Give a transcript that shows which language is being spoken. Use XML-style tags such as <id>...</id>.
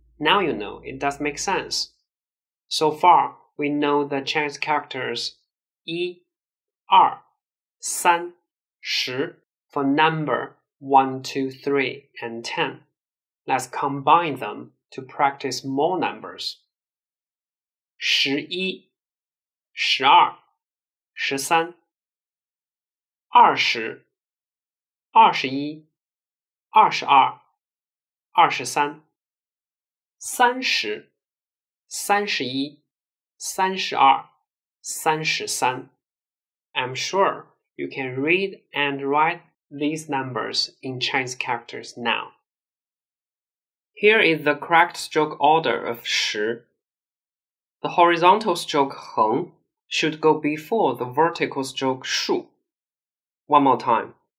<en>Now you know it does make sense. So far, we know the Chinese characters 一,二,三,十 for number 1, 2, 3, and 10. Let's combine them to practice more numbers.</en> <zh>十一,十二,十三,二十,二十一,二十二,二十三,三十,三十一,三十二,三十三。</zh> <en>I'm sure you can read and write these numbers in Chinese characters now. Here is the correct stroke order of 十.The horizontal stroke 横 should go before the vertical stroke 竖.One more time.</en>